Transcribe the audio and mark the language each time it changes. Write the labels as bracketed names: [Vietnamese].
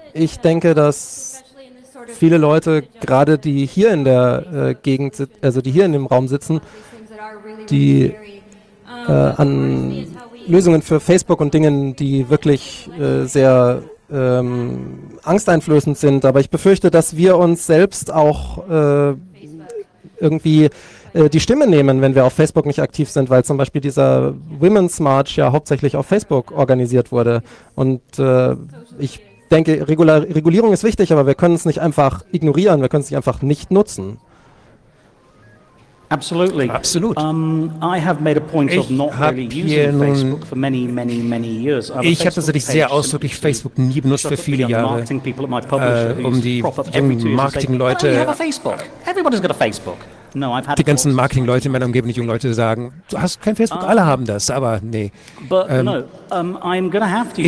[German] Ich denke, dass viele Leute, gerade die hier in der Gegend, also die hier in dem Raum sitzen, die an Lösungen für Facebook und Dingen, die wirklich sehr angsteinflößend sind, aber ich befürchte, dass wir uns selbst auch irgendwie die Stimme nehmen, wenn wir auf Facebook nicht aktiv sind, weil zum Beispiel dieser Women's March ja hauptsächlich auf Facebook organisiert wurde. Und ich denke, Regulierung ist wichtig, aber wir können es nicht einfach ignorieren, wir können es nicht einfach nicht nutzen. [English] Absolutely. [German] Absolut. [English] I have made a point of not really using Facebook for many, many, many years. [German] Ich habe tatsächlich sehr ausdrücklich Facebook nie benutzt für viele Jahre, um die Marketing-Leute. [English] Everybody's got a Facebook. No, I've had [German] die ganzen Marketing-Leute in meiner Umgebung, die jungen Leute sagen, du hast kein Facebook, alle haben das, aber nee. [English] But I'm gonna have to use